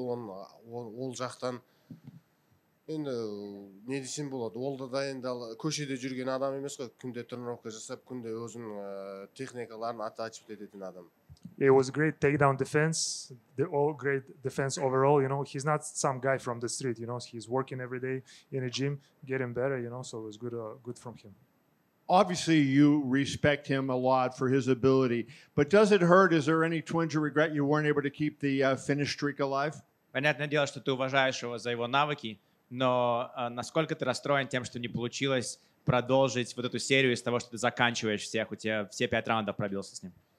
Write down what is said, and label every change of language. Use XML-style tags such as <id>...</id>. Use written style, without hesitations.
<kk>Ол жақтан, енді, не десем болады, ол да дайындал, көшеде жүрген адам емес қой, күнде тренировка жасап, күнде өзінің техникаларын ата ашып кететін адам.</kk> <en>It was great takedown defense. The all great defense overall. You know, he's not some guy from the street. You know, he's working every day in a gym, getting better. You know, so it was good from him. Obviously, you respect him a lot for his ability. But does it hurt? Is there any twinge of regret you weren't able to keep the finish streak alive?</en> <ru>Понятное дело, что ты уважаешь его за его навыки, но насколько ты расстроен тем, что не получилось продолжить вот эту серию из того, что ты заканчиваешь всех, у тебя все пять раундов пробился с ним.</ru>